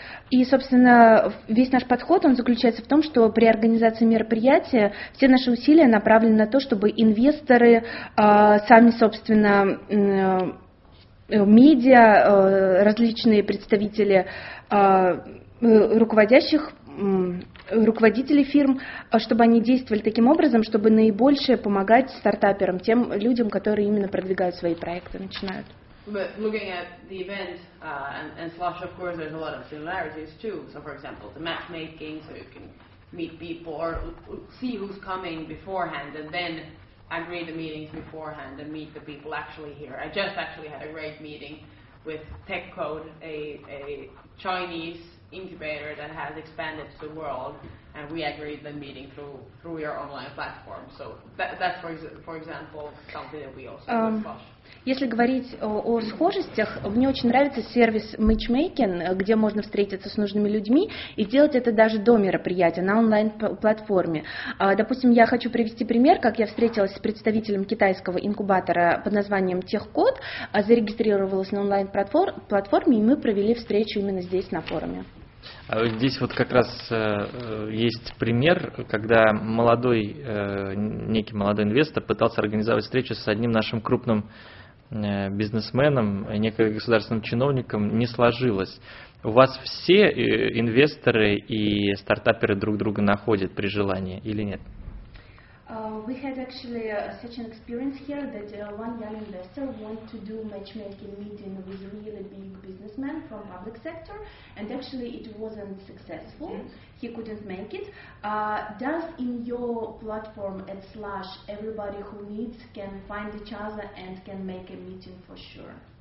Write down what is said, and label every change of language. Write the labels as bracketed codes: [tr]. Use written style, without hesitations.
[ru] И, собственно, весь наш подход, он заключается в том, что при организации мероприятия все наши усилия направлены на то, чтобы инвесторы, сами, собственно, медиа, различные представители руководителей фирм, чтобы они действовали таким образом, чтобы наибольшее помогать стартаперам, тем людям, которые именно продвигают свои проекты, начинают. [en] But looking at the event and Slush, of course, there's a lot of similarities too. So, for example, the map making, so you can meet people or see who's coming beforehand and then agree the meetings beforehand and meet the people actually here. I just actually had a great meeting with TechCode, a Chinese incubator that has expanded to the world, and we agreed the meeting through your online platform. So that's, for example, something that we also do with Slush. [ru] Если говорить о схожестях, мне очень нравится сервис Matchmaking, где можно встретиться с нужными людьми и сделать это даже до мероприятия, на онлайн-платформе. Допустим, я хочу привести пример, как я встретилась с представителем китайского инкубатора под названием TechCode, зарегистрировалась на онлайн-платформе, и мы провели встречу именно здесь, на форуме. Здесь вот как раз есть пример, когда молодой, некий молодой инвестор пытался организовать встречу с одним нашим крупным бизнесменам, некоим государственным чиновникам, не сложилось. У вас все инвесторы и стартаперы друг друга находят при желании или нет? [en] We had actually such an experience here that one young investor wanted to do matchmaking meeting with a really big businessman from public sector, and actually it wasn't successful. He couldn't make it. Does in your platform at Slush everybody who needs can find each other and can make a meeting for sure?